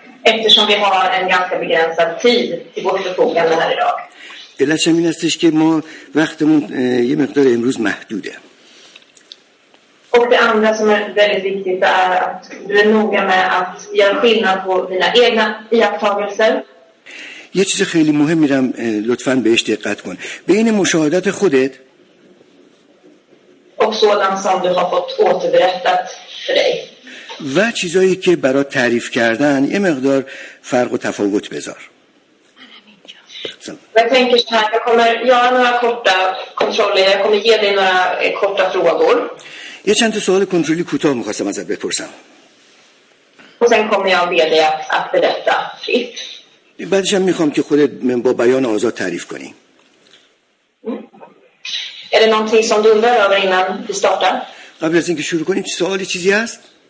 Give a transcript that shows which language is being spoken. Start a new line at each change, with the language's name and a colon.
Swedish: Eftersom vi har en ganska begränsad tid till vårt förfogande här idag.
Persian: علت شم این استش که ما وقتمون یه مقدار امروز محدوده.
Swedish: Och det andra som är väldigt viktigt är att du är noga med att göra skillnad på dina egna iakttagelser.
Persian: یه چیز خیلی مهم میرم لطفاً بهش دقت کن. بین مشاهدات خودت
Swedish: och sådant som du har fått återberättat för dig.
Persian: و چیزایی که برات تعریف کردن یه مقدار فرق و تفاوت بذار.
Swedish: Jag tänker så här, jag kommer göra några korta kontroller, jag kommer ge dig några korta frågor. Jag känner inte så att kontrollen kutar mig, som att jag. Och sen kommer jag be dig att berätta fritt.
Persian: بعدش هم میخوام که خودت با بیان آزاد تعریف کنی.
Swedish: Är det någonting som du undrar över innan vi startar?
Persian: قبل از اینکه شروع کنیم سوالی چیزی هست؟